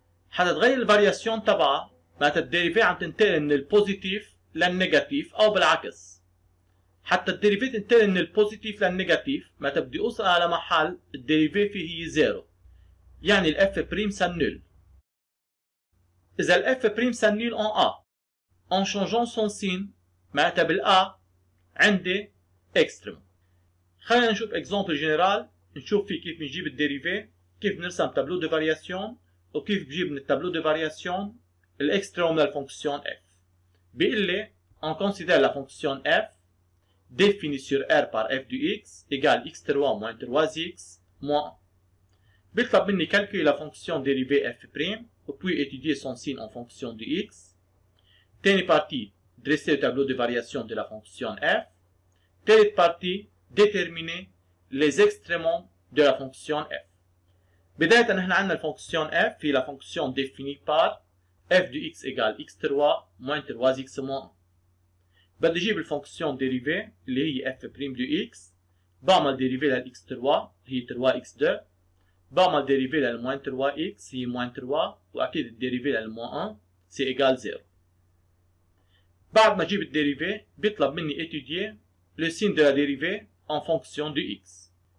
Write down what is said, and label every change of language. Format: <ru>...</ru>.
<ar>حتى تغير الفارياسيون تبعها معناتها الديريفي عم تنتقل من البوزيتيف للنيجاتيف او بالعكس. حتى الديريفي تنتقل من البوزيتيف للنيجاتيف متى بدي اوصل على محل الديريفي فيه هي زيرو، يعني ال F prime سان نول. إذا ال F prime سان نول en A</ar> <fr>en changeant son signe</fr> <ar>معناتها بال A عندي extreme. خلينا نشوف example general نشوف فيه كيف نجيب الديريفي كيف نرسم تابلو دو فارياسيون وكيف بجيب من التابلو دو فارياسيون الاكستريم من الفونكسيون F. بيقول لي</ar> <fr>on considère la fonction F défini sur R par f du x égale x3 moins 3x moins 1.</fr> <ar>بيطلب مني</ar> <fr>calculer la fonction dérivée f prime ou puis étudier son signe en fonction du x. Tenez partie, dresser le tableau de variation de la fonction f. Tenez partie, déterminer les extrémums de la fonction f.</fr> <ar>بداية نحن عندنا la fonction f et la fonction définie par f du x égale x3 moins 3x moins 1. بدي اجيب الفونكسيون ديريفي اللي هي f prime دو x بعمل ديريفي لل x3 هي 3x2 بعمل ديريفي لل موين 3x هي موين 3 واكيد الديريفي لل موين 1 سي ايجال 0. بعد ما اجيب الديريفي بيطلب مني اتيديي لو سين دو لا ديريفي ان فونكسيون دو x.</ar>